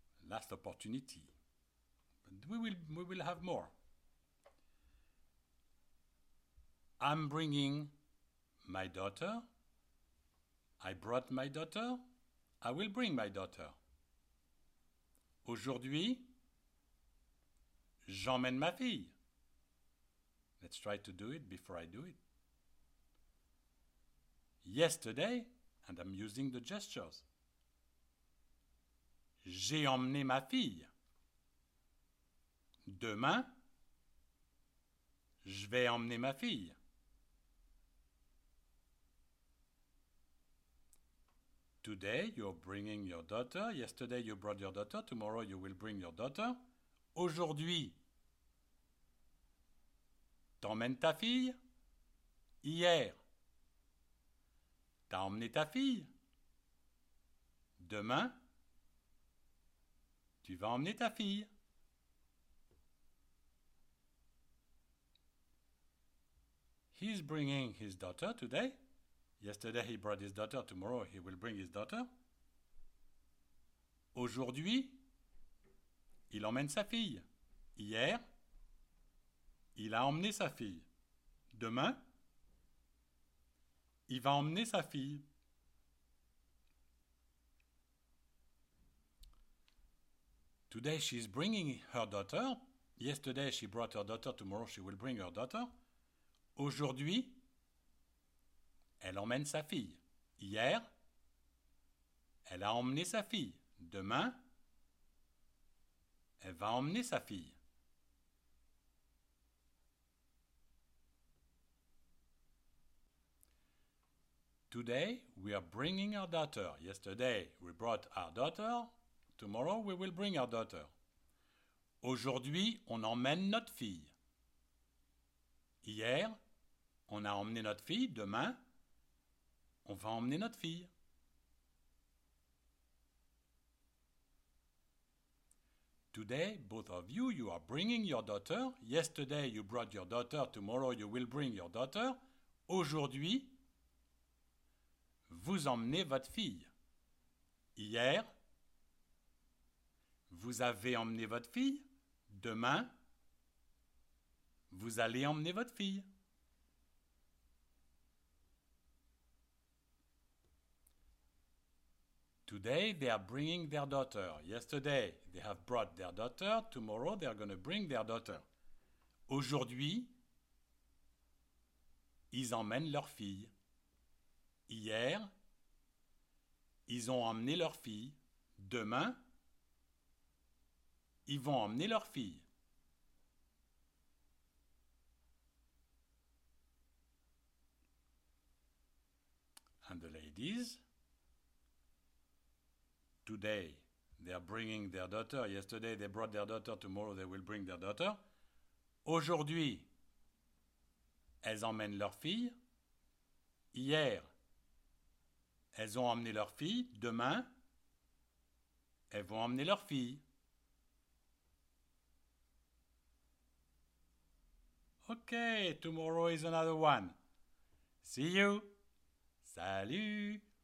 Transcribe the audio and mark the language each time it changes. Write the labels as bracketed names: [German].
[English] Last opportunity. We will have more. I'm bringing my daughter. I brought my daughter. I will bring my daughter. [French] Aujourd'hui, j'emmène ma fille. [English] Let's try to do it before I do it. Yesterday, and I'm using the gestures. [French] J'ai emmené ma fille. Demain, je vais emmener ma fille. [English] Today, you're bringing your daughter. Yesterday, you brought your daughter. Tomorrow, you will bring your daughter. [French] Aujourd'hui, t'emmènes ta fille? Hier, t'as emmené ta fille? Demain, tu vas emmener ta fille? [English] He's bringing his daughter today. Yesterday he brought his daughter, tomorrow he will bring his daughter. [French] Aujourd'hui, il emmène sa fille. Hier, il a emmené sa fille. Demain, il va emmener sa fille. [English] Today she's bringing her daughter. Yesterday she brought her daughter. Tomorrow she will bring her daughter. [French] Aujourd'hui, elle emmène sa fille. Hier, elle a emmené sa fille. Demain, elle va emmener sa fille. [English] Today, we are bringing our daughter. Yesterday, we brought our daughter. Tomorrow, we will bring our daughter. [French] Aujourd'hui, on emmène notre fille. Hier, on a emmené notre fille. Demain, on va emmener notre fille. [English] Today, both of you, you are bringing your daughter. Yesterday, you brought your daughter. Tomorrow, you will bring your daughter. [French] Aujourd'hui, vous emmenez votre fille. Hier, vous avez emmené votre fille. Demain, vous allez emmener votre fille. [English] Today, they are bringing their daughter. Yesterday, they have brought their daughter. Tomorrow, they are going to bring their daughter. [French] Aujourd'hui, ils emmènent leur fille. Hier, ils ont emmené leur fille. Demain, ils vont emmener leur fille. [English] And the ladies. Today, they are bringing their daughter. Yesterday, they brought their daughter. Tomorrow, they will bring their daughter. [French] Aujourd'hui, elles emmènent leur fille. Hier, elles ont emmené leur fille. Demain, elles vont emmener leur fille. [English] Okay, tomorrow is another one. See you. Salut.